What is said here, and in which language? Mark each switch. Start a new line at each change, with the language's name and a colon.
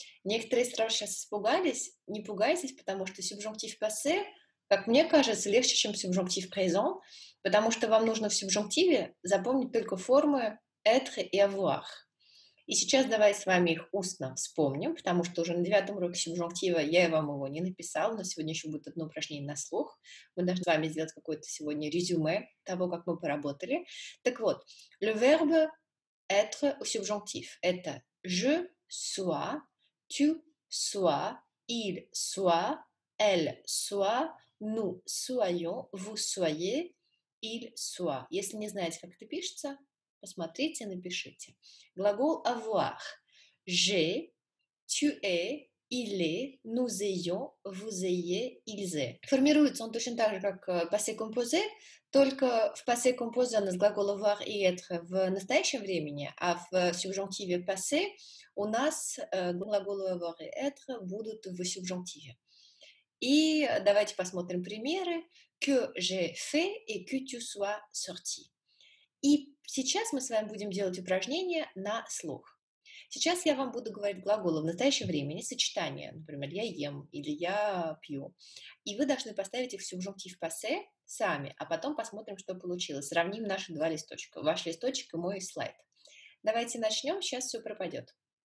Russian: Некоторые сразу сейчас испугались. Не пугайтесь, потому что субжунктив passé, как мне кажется, легче, чем субжунктив présent, потому что вам нужно в субжунктиве запомнить только формы être и avoir. И сейчас давай с вами их устно вспомним, потому что уже на 9-м уроке субжунктива я вам его не написала, но сегодня еще будет одно упражнение на слух. Мы должны с вами сделать какое-то сегодня резюме того, как мы поработали. Так вот,
French: le verbe être au subjonctif. Это je sois, tu sois, il soit, elle soit, nous soyons, vous soyez, il soit.
Russian: Если не знаете, как это пишется, посмотрите, напишите. Глагол avoir.
French: J'ai, tu es, il est, nous ayons, vous ayez, ils aient.
Russian: Формируется он точно так же, как passé composé, только в passé composé у нас глагол avoir и être в настоящем времени, а в субжунктиве passé у нас глаголы avoir и être будут в субжунктиве. И давайте посмотрим примеры.
French: Que j'ai fait et que tu sois sorti.
Russian: И сейчас мы с вами будем делать упражнение на слух. Сейчас я вам буду говорить глаголы в настоящем времени, сочетания. Например, я ем или я пью. И вы должны поставить их в субжунктив passé сами, а потом посмотрим, что получилось. Сравним наши два листочка. Ваш листочек и мой слайд. Давайте начнем, сейчас все пропадет.